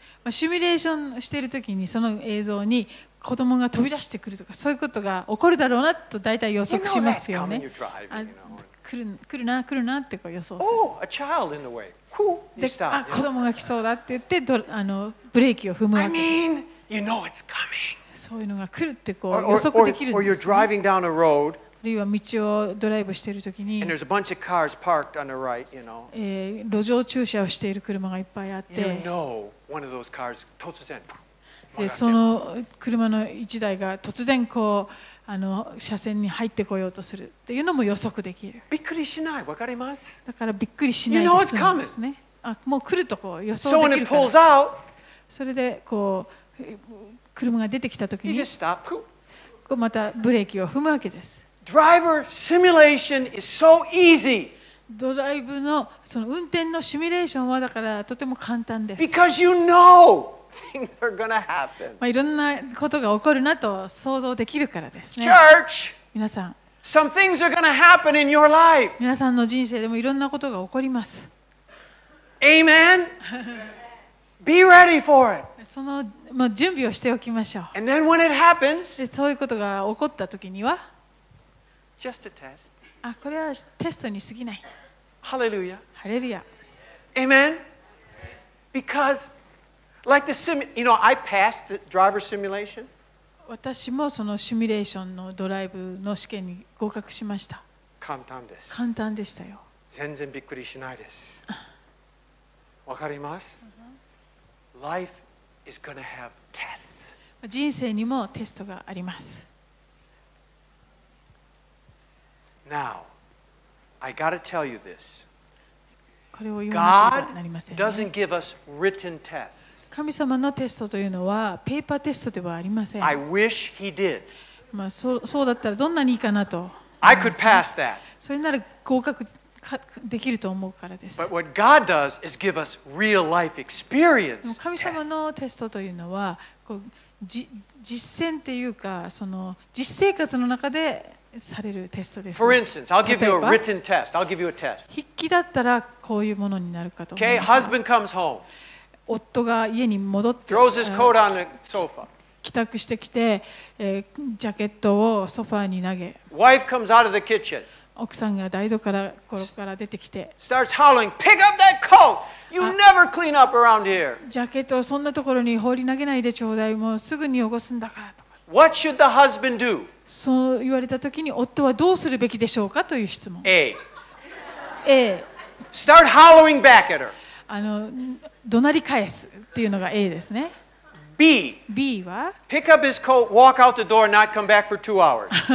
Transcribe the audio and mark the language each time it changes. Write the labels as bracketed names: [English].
[Japanese] シミュレーションしているときにその映像に子供が飛び出してくるとかそういうことが起こるだろうなと大体予測しますよね。来るなってこう予想する。 [English] Oh, a child in the way. Who? [Japanese] で、あ、子供が来そうだって言ってあのブレーキを踏むわけ。 [English] I mean, you know it's coming. [Japanese] そういうのが来るってこう予測できるんです。 [English] Or you're driving down a road. [Japanese] あるいは道をドライブしているときに、 [English] right, you know. [Japanese] 路上駐車をしている車がいっぱいあって、 [English] you know, one of those cars, 突然 [Japanese] でその車の一台が突然こうあの車線に入ってこようとするっていうのも予測できる。びっくりしない、わかります。だからびっくりしないで済むんですね。 [English] You know [Japanese] あもう来るとこう予想できるから。 [English] So、when it pulls out, [Japanese] それでこう車が出てきたときに、 [English] you just stop. [Japanese] こうまたブレーキを踏むわけです。 [English] Driver simulation is so easy. [Japanese] ドライブのその運転のシミュレーションはだからとても簡単です。 [English] Because you know things are gonna happen. [Japanese] まあいろんなことが起こるなと想像できるからですね。 [English] Church. [Japanese] 皆さん。 [English] Some things are gonna happen in your life. [Japanese] 皆さんの人生でもいろんなことが起こります。 [English] Amen. Be ready for it. [Japanese] その、まあ、準備をしておきましょう。 [English] And then when it happens. [Japanese] でそういうことが起こったときには。 [English] Just a test. [Japanese] あ、これはテストに過ぎない。ハレルヤ。ハレルヤ。 [English] Amen. Because, like the sim, you know, I passed the driver simulation. [Japanese] 私もそのシミュレーションのドライブの試験に合格しました。簡単です。簡単でしたよ。全然びっくりしないです。わかります。 [English] Life is gonna have tests. [Japanese] 人生にもテストがあります。 [English] Now, I gotta tell you this. [Japanese] これを言わなければなりませんね。 [English] God doesn't give us written tests. [Japanese] 神様のテストというのはペーパーテストではありません。 [English] I wish he did. [Japanese] まあ、そうだったらどんなにいいかなと思います [English] 、ね。I could pass that. [Japanese] それなら合格できると思うからです。 [English] But what God does is give us real life experience. [Japanese] 神様のテストというのはこう実践というかその実生活の中で。されるテストです。 [English] For instance, I'll give you a written test. I'll give you a test. [Japanese] 筆記だったらこういうものになるかと思います。 [English] Okay, husband comes home. [Japanese] 夫が家に戻って、 [English] throws his coat on the sofa. [Japanese] 帰宅してきて、ジャケットをソファーに投げ、 [English] Wife comes out of the kitchen. [Japanese] 奥さんが台所から出てきて、 [English] starts howling, pick up that coat! You never clean up around here. [Japanese] ジャケットをそんなところに放り投げないでちょうだい、もうすぐに汚すんだからとか。 [English] What should the husband do? [Japanese] そう言われたときに、夫はどうするべきでしょうかという質問。 [English] A. A. Start hollering back at her. [Japanese] あの、怒鳴り返すっていうのが A ですね。 [English] B. [Japanese] B は [English] Pick up his coat, walk out the door, not come back for two hours.